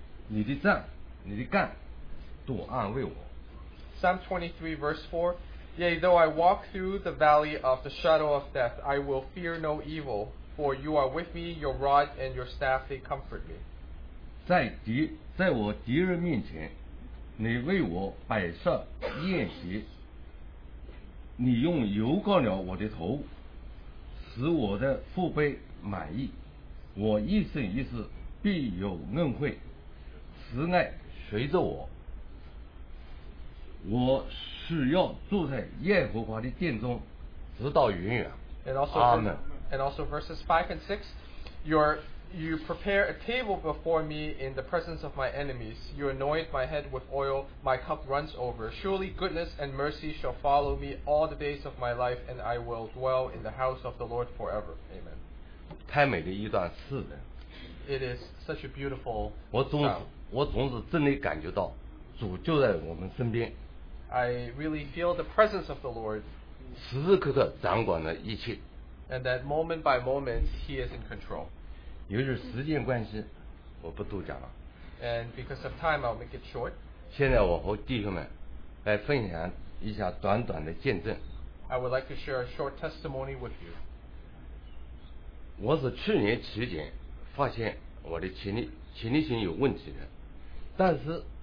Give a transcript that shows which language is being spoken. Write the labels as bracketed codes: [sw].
[zh] 我虽然行各死荫的幽谷，也不怕遭害，因为你与我同在，你的杖，你的竿，都安慰我。 [en] Psalm 23 verse 4, Yea, though I walk through the valley of the shadow of death, I will fear no evil, for you are with me, your rod and your staff, they comfort me. [zh] 在我敌人面前，你为我摆设宴席。你用油膏了我的头，使我的腹背满意。我一生一世必有恩惠，慈爱随着我。我是要住在耶和华的殿中，直到永远。 [en] And also verses 5 and 6, your You prepare a table before me in the presence of my enemies. You anoint my head with oil. My cup runs over. Surely goodness and mercy shall follow me all the days of my life, and I will dwell in the house of the Lord forever. Amen. [zh] 太美的一段诗人。 [en] It is such a beautiful. [zh] 我总是真的感觉到主就在我们身边。 [en] I really feel the presence of the Lord. [zh] 时时刻刻掌管了一切。 [en] And that moment by moment, He is in control. [zh] 由于时间关系，我不多讲了。 [en] And because of time, I'll make it short. [zh] 现在我和弟兄们来分享一下短短的见证。 [en] I would like to share a short testimony with you. [zh] 我是去年体检发现我的前列腺有问题的，但是。